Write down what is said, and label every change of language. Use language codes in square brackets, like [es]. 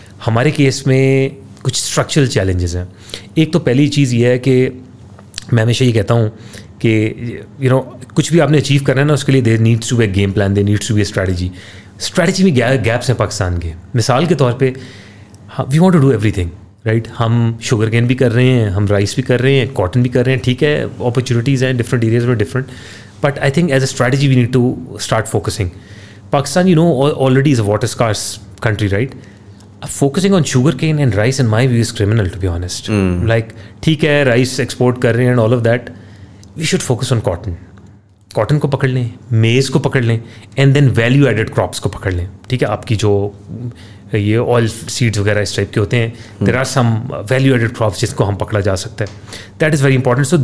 [ur] ہمارے کیس میں کچھ اسٹرکچرل چیلنجز ہیں. ایک تو پہلی چیز یہ ہے کہ میں ہمیشہ یہ کہتا ہوں کہ یو نو کچھ بھی آپ نے اچیو کرنا ہے نا, اس کے لیے [en] There needs to be a game plan, there needs to be a strategy. [ur] Strategy میں گیپس ہیں پاکستان کے. مثال کے طور پہ [en] we want to do every thing, [ur] right. ہم شوگر کین بھی کر رہے ہیں, ہم رائس بھی کر رہے ہیں, کاٹن بھی کر رہے ہیں, ٹھیک ہے, اپرچونیٹیز ہیں ڈفرنٹ ایریاز میں different, [en] But I think as a strategy we need to start focusing. Pakistan you know already is a water scarce country, right. Focusing on sugar cane and rice in my view is criminal, to be honest. Like [ur] ٹھیک ہے [en] Rice export کر رہے ہیں and all of that, we should focus on cotton. [ur] Cotton کو پکڑ لیں, میز کو پکڑ لیں, and then value added crops کو پکڑ لیں, ٹھیک ہے. آپ کی جو یہ آئل سیڈس وغیرہ اس ٹائپ کے ہوتے ہیں, [en] there are some value added crops [ur] جس کو ہم پکڑا جا سکتا ہے, [en] That is very important.